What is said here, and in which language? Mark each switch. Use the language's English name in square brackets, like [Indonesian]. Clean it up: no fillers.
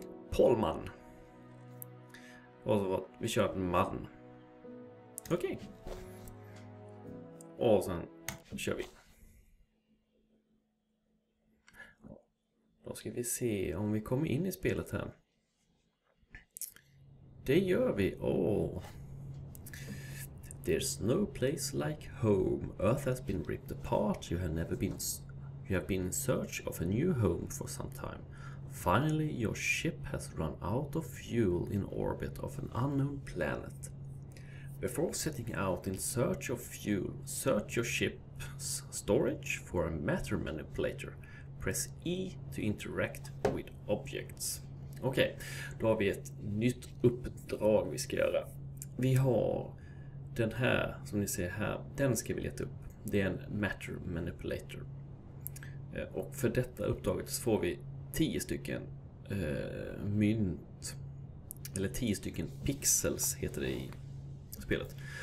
[Swedish] Polman. Och så vi kör en man. Okej. Okay. Och sen kör vi. Då ska vi se om vi kommer in i spelet här. Det gör vi. [English] There's no place like home. Earth has been ripped apart. You have been in search of a new home for some time. Finally, your ship has run out of fuel in orbit of an unknown planet. Before setting out in search of fuel, search your ship's storage for a matter manipulator. Press E to interact with objects. [Swedish] Okej, då har vi ett nytt uppdrag vi ska göra. Vi har... Den här som ni ser här, den ska vi leta upp. Det är en matter manipulator. Och för detta uppdraget så får vi 10 stycken mynt, eller 10 stycken pixels heter det i spelet.